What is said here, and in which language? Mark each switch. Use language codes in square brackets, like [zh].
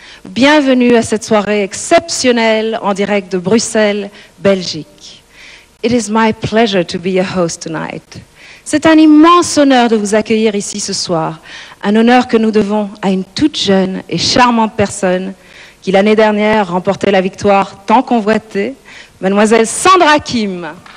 [fr] Bienvenue à cette soirée exceptionnelle en direct de Bruxelles, Belgique. [en] It is my pleasure to be your host tonight. [fr] C'est un immense honneur de vous accueillir ici ce soir, un honneur que nous devons à une toute jeune et charmante personne qui l'année dernière remportait la victoire tant convoitée, Mademoiselle Sandra Kim.